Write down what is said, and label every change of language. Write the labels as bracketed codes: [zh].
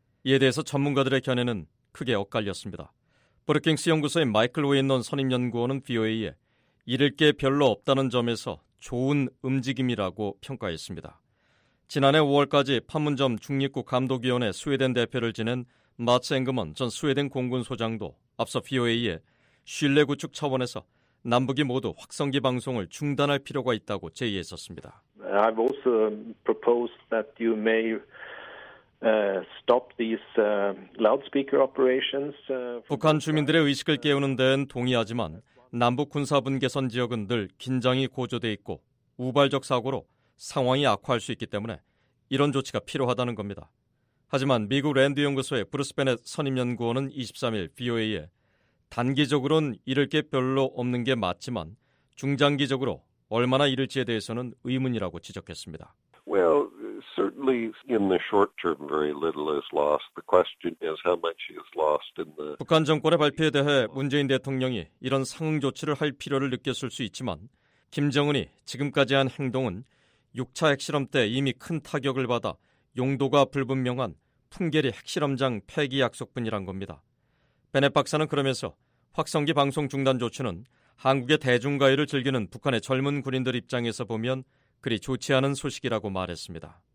[ko] 이에 대해서 전문가들의 견해는 크게 엇갈렸습니다. 브루킹스 연구소의 마이클 웨인넌 선임연구원은 VOA에 이를 게 별로 없다는 점에서 좋은 움직임이라고 평가했습니다. 지난해 5월까지 판문점 중립국 감독위원회 스웨덴 대표를 지낸 마츠 앵그먼 전 스웨덴 공군 소장도 앞서 VOA에 신뢰 구축 차원에서 남북이 모두 확성기 방송을 중단할 필요가 있다고 제의했었습니다. [en] I've also proposed that you may stop these loudspeaker operations. [ko] 북한 주민들의 의식을 깨우는 데는 동의하지만 남북 군사 분계선 지역은 늘 긴장이 고조돼 있고 우발적 사고로 상황이 악화할 수 있기 때문에 이런 조치가 필요하다는 겁니다. 하지만 미국 랜드 연구소의 브루스 베넷 선임 연구원은 23일 VOA에 단기적으로는 이를 게 별로 없는 게 맞지만 중장기적으로 얼마나 이를지에 대해서는 의문이라고 지적했습니다. [en] Well, certainly in the short term very little is lost. The question is how much is lost in the [ko] 북한 정권의 발표에 대해 문재인 대통령이 이런 상응 조치를 할 필요를 느꼈을 수 있지만 김정은이 지금까지 한 행동은 6차 핵실험 때 이미 큰 타격을 받아 용도가 불분명한 풍계리 핵실험장 폐기 약속뿐이란 겁니다. 베넷 박사는 그러면서 확성기 방송 중단 조치는 한국의 대중가요를 즐기는 북한의 젊은 군인들 입장에서 보면 그리 좋지 않은 소식이라고 말했습니다.